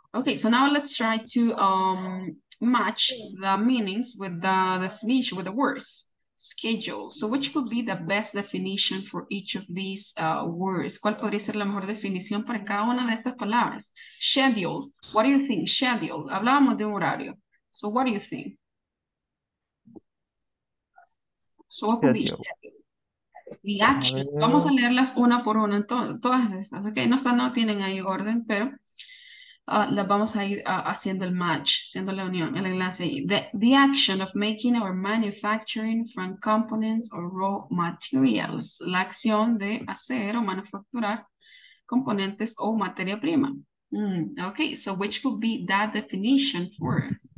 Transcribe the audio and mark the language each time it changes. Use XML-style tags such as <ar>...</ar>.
<en>Okay, so now let's try to match the meanings with the definition, with the words. Schedule. So which could be the best definition for each of these words?</en> <es>¿Cuál podría ser la mejor definición para cada una de estas palabras?</es> <en>Schedule. What do you think? Schedule.</en> <es>Hablábamos de un horario.</es> <en>So what do you think? So what could schedule. Be The action.</en> <es>Vamos a leerlas una por una, todas estas. Okay, no están, no tienen ahí orden, pero las vamos a ir haciendo el match, haciendo la unión, el enlace ahí.</es> <en>The action of making or manufacturing from components or raw materials.</en> <es>La acción de hacer o manufacturar componentes o materia prima.</es> <en>Okay, so which could be that definition for?</en>